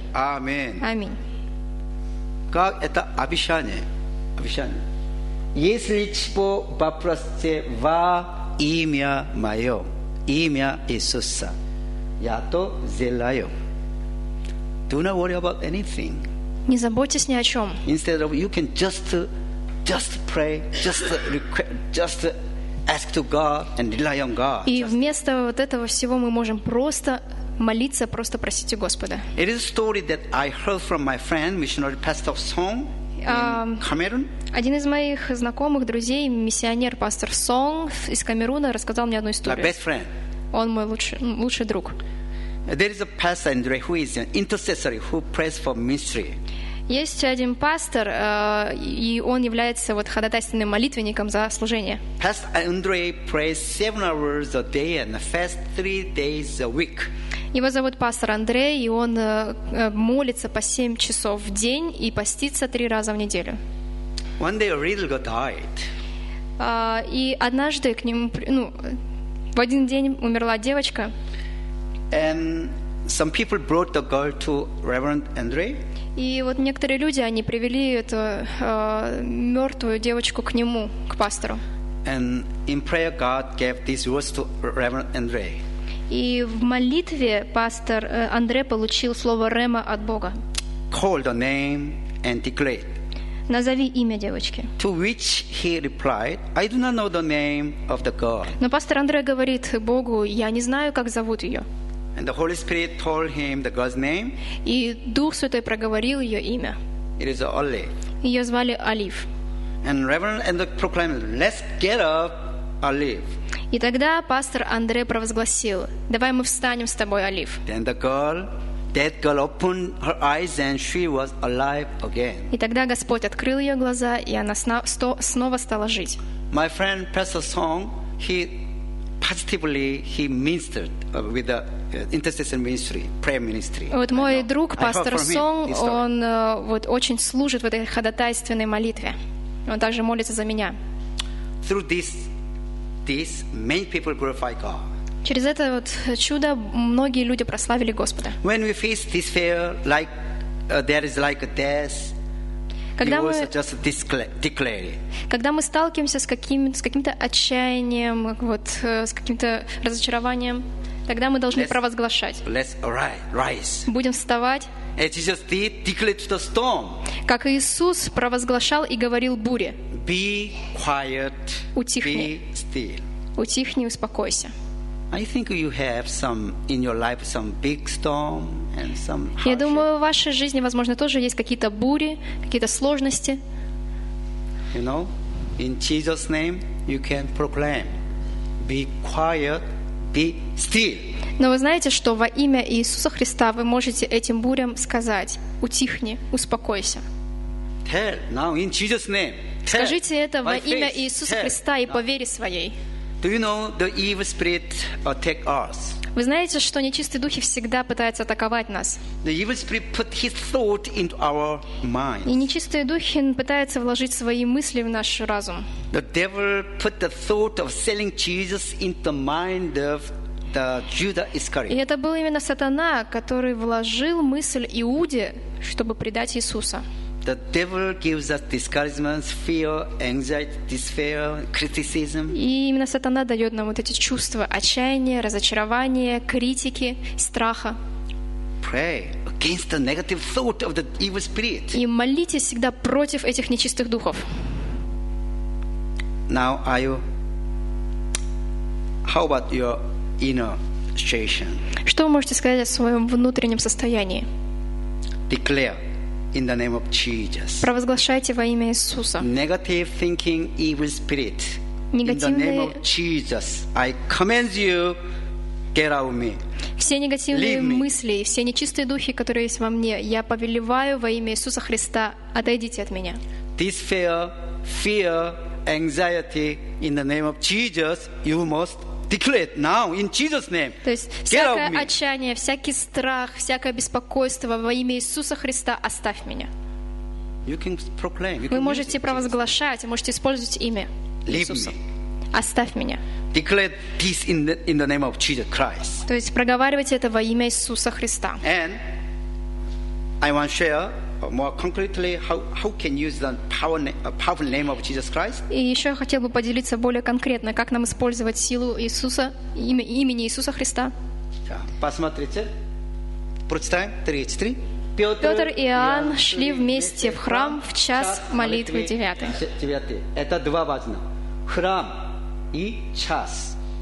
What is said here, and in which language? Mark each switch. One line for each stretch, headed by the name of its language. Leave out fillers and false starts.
Russian: Аминь. Как это обещание? Обещание. «Если чего попросите во имя Мое, имя Иисуса, Я то сделаю».
English: Do not worry about anything.
Russian: Не заботьтесь ни о чем.
English: Instead of, you can just pray, just request, just ask to God and rely on God.
Russian: И вместо вот этого всего мы можем просто молиться, просто просить у Господа.
English: It is a story that I heard from my friend, missionary Pastor Song in Cameroon.
Russian: Один из моих знакомых друзей, миссионер пастор Song из Камеруна, рассказал мне одну историю.
English: My best friend.
Russian: Он мой лучший друг.
English: There is a pastor Andre who is an intercessor who prays for ministry.
Russian: Есть один пастор, и он является вот ходатайственным молитвенником за служение.
English: Pastor Andre prays 7 hours a day and fasts 3 days a week.
Russian: Его зовут пастор Андрей, и он молится по 7 часов в день и постится 3 раза в неделю.
English: One day a riddle died.
Russian: И однажды к нему, ну, в один день умерла девочка.
English: And some people brought the girl to Reverend Andre.
Russian: И вот некоторые люди, они привели эту мертвую девочку к нему, к пастору.
English: And in prayer, God gave these words to Reverend Andre.
Russian: И в молитве пастор Андре получил слово рема от Бога.
English: Call the name and declare.
Russian: Назови имя девочки.
English: To which he replied, I do not know the name of the girl.
Russian: Но пастор Андре говорит Богу, я не знаю, как зовут ее.
English: And the Holy Spirit told him the girl's name.
Russian: И Дух Святой проговорил ее имя.
English: It is Olive.
Russian: Ее звали Олив.
English: And Reverend Andre proclaimed, "Let's get up, Olive."
Russian: И тогда пастор Андре провозгласил, "Давай мы встанем с тобой, Олив."
English: Then the girl, that girl, opened her eyes, and she was alive again.
Russian: И тогда Господь открыл ее глаза, и она снова стала жить.
English: My friend Pastor Song, he positively he ministered with the intercession ministry, prayer ministry.
Russian: Вот мой друг, пастор Сонг, он вот очень служит в этой ходатайственной молитве. Он также молится за меня.
English: Through this many people glorify God.
Russian: Через это вот чудо многие люди прославили Господа.
English: When we face this fear, like there is like a death,
Russian: Когда мы сталкиваемся с каким-то отчаянием, вот, с каким-то разочарованием, тогда мы должны провозглашать.
English: Let's rise.
Russian: Будем вставать.
English: As Jesus did, declare to the storm.
Russian: Как Иисус провозглашал и говорил буре.
English: Be quiet.
Russian: Утихни.
English: Be still.
Russian: Утихни, успокойся.
English: I think you have some in your life some big storm and some hardship.
Russian: Я думаю, в вашей жизни, возможно, тоже есть какие-то бури, какие-то сложности.
English: You know, in Jesus' name, you can proclaim, be quiet, be still.
Russian: Но вы знаете, что во имя Иисуса Христа вы можете этим бурям сказать: утихни, успокойся.
English: Tell now in Jesus' name.
Russian: Скажите это во имя Иисуса Христа и по вере своей.
English: Do you know the evil spirit attack us?
Russian: Вы знаете, что нечистые духи всегда пытаются атаковать нас?
English: The evil spirit put his thought into our minds.
Russian: И нечистые духи пытаются вложить свои мысли в наш разум.
English: The devil put the thought of selling Jesus into the mind of the Judas Iscariot.
Russian: И это был именно сатана, который вложил мысль Иуде, чтобы предать Иисуса.
English: The devil gives us discouragement, fear, anxiety, despair, criticism.
Russian: И именно сатана дает нам вот эти чувства отчаяния, разочарования, критики, страха.
English: Pray against the negative thought of the evil spirit.
Russian: И молитесь всегда против этих нечистых духов.
English: Now, how about your inner situation?
Russian: Что вы можете сказать о своем внутреннем состоянии?
English: Declare. In the name of Jesus.
Russian: Провозглашайте во имя Иисуса.
English: Negative thinking, evil spirit.
Russian: Негативные...
English: In the name of Jesus, I command you, get out of me.
Russian: Все негативные мысли, все нечистые духи, которые есть во мне, я повелеваю во имя Иисуса Христа, отойдите от меня.
English: This fear, anxiety, in the name of Jesus, you must declare it now in Jesus' name.
Russian: То есть всякое отчаяние, всякий страх, всякое беспокойство во имя Иисуса Христа, оставь меня.
English: You can proclaim.
Russian: Вы можете провозглашать, можете использовать имя Иисуса. Оставь меня.
English: Declare peace in the name of Jesus Christ.
Russian: То есть проговаривайте это во имя Иисуса Христа.
English: And I want to share more concretely how can use the powerful name of Jesus Christ.
Russian: И еще я хотел бы поделиться более конкретно, как нам использовать силу Иисуса, имени Иисуса Христа. Посмотрите. Прочитаем. 33. Петр и Иоанн шли вместе в храм в час молитвы девятой. Это два важных. Храм и час.